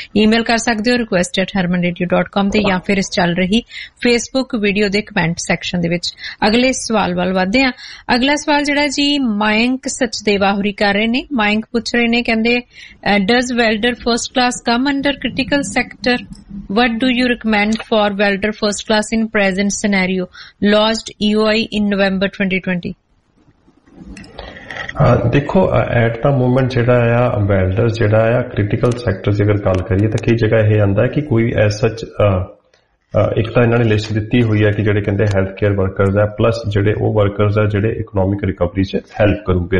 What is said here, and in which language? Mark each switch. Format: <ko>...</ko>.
<pa>Email ਕਰ ਸਕਦੇ ਹੋ request@harmanradio.com ਤੇ ਜਾਂ ਫਿਰ ਇਸ ਚੱਲ ਰਹੀ ਫੇਸਬੁੱਕ ਵੀਡੀਓ ਦੇ ਕਮੈਂਟ ਸੈਕਸ਼ਨ ਦੇ ਵਿੱਚ। ਅਗਲੇ ਸਵਾਲ ਵੱਲ ਵਧਦੇ ਹਾਂ। ਅਗਲਾ ਸਵਾਲ ਜਿਹੜਾ ਜੀ ਮਾਇੰਕ ਸਚਦੇਵਾ ਹੋਰੀ ਕਰ ਰਹੇ ਨੇ। ਮਾਇੰਕ ਪੁੱਛ ਰਹੇ ਨੇ ਕਹਿੰਦੇ</pa> <en>Does welder first class come under critical sector? What do you recommend for welder first class in present scenario? Lost EOI in November 2020.</en> <pa>ਦੇਖੋ</pa> <en>at the moment</en> <pa>ਜਿਹੜਾ ਆ ਵੈਲਡਰ ਜਿਹੜਾ ਆ ਕ੍ਰਿਟੀਕਲ ਸੈਕਟਰ ਜੇਕਰ ਗੱਲ ਕਰੀਏ ਤਾਂ ਕਈ ਜਗ੍ਹਾ ਇਹ ਆਉਂਦਾ ਕਿ ਕੋਈ ਐਸ ਸੱਚ ਇੱਕ ਤਾਂ ਇਹਨਾਂ ਨੇ ਲਿਸਟ ਦਿੱਤੀ ਹੋਈ ਹੈ ਕਿ ਜਿਹੜੇ ਕਹਿੰਦੇ ਹੈਲਥ ਕੇਅਰ ਵਰਕਰਸ ਆ ਪਲੱਸ ਜਿਹੜੇ ਉਹ ਵਰਕਰਸ ਆ ਜਿਹੜੇ ਇਕਨੋਮਿਕ ਰਿਕਵਰੀ ਚ ਹੈਲਪ ਕਰੂਗੇ।</pa>